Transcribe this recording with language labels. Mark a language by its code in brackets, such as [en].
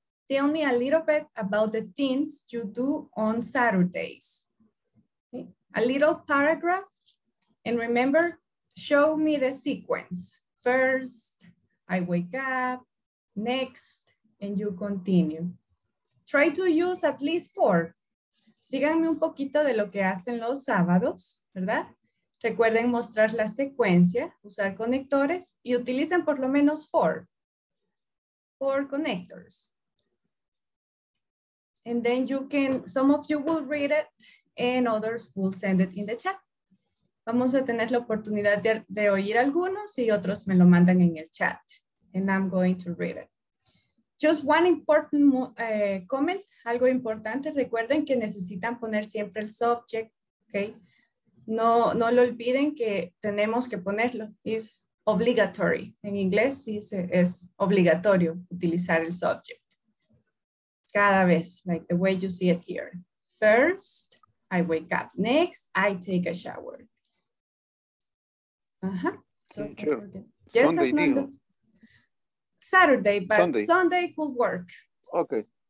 [en] Tell me a little bit about the things you do on Saturdays. Okay. A little paragraph, and remember, show me the sequence. First, I wake up, next, and you continue. Try to use at least four. [es] Díganme un poquito de lo que hacen los sábados, ¿verdad? Recuerden mostrar la secuencia, usar conectores y utilicen por lo menos [en] four connectors. And then you can, some of you will read it and others will send it in the chat. [es] Vamos a tener la oportunidad de oír algunos y otros me lo mandan en el chat. [en] And I'm going to read it. Just one important comment, [es] algo importante. Recuerden que necesitan poner siempre el subject, okay? No, no lo olviden que tenemos que ponerlo. [en] It's obligatory. [es] En inglés sí es obligatorio utilizar el subject. Cada vez, [en] like the way you see it here. First, I wake up. Next, I take a shower. Uh-huh. So, sure. Yes, Sunday, Saturday, but Sunday could work. Okay.